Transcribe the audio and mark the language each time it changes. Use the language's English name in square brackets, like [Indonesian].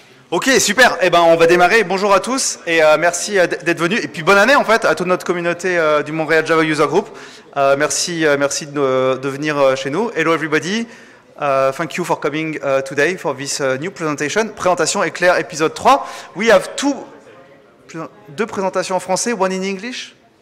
[French] Ok, super. Eh ben, on va démarrer. Bonjour à tous et merci d'être venus. Et puis bonne année en fait à toute notre communauté du Montréal Java User Group. Merci de venir chez nous. [English] Hello everybody. Thank you for coming today for this new presentation. [French] Présentation éclair épisode 3. [English] We have [French] deux présentations en français, [English] one in English.